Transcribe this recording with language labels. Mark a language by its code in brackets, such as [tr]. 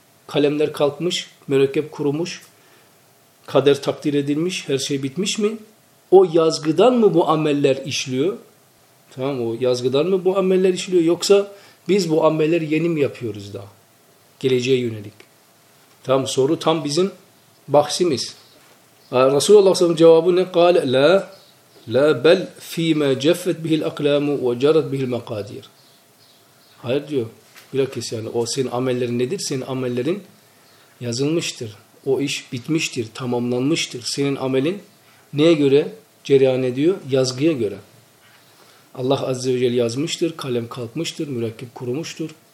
[tr] Kalemler kalkmış, mürekkep kurumuş, kader takdir edilmiş, her şey bitmiş mi? O yazgıdan mı bu ameller işliyor? Tamam, o yazgıdan mı bu ameller işliyor, yoksa biz bu amelleri yeni mi yapıyoruz daha? Geleceğe yönelik. Tam soru tam bizim bahsimiz. Resulullah sallallahu aleyhi ve sellem cevabı ne? [ar] قال لا لا بل فيما جفت به الأقلام وجرت به المقادير. [tr] Hayır diyor. Bilakis yani o senin amellerin nedir? Senin amellerin yazılmıştır. O iş bitmiştir, tamamlanmıştır. Senin amelin neye göre cereyan ediyor? Yazgıya göre. Allah Azze ve Celle yazmıştır, kalem kalkmıştır, mürekkep kurumuştur.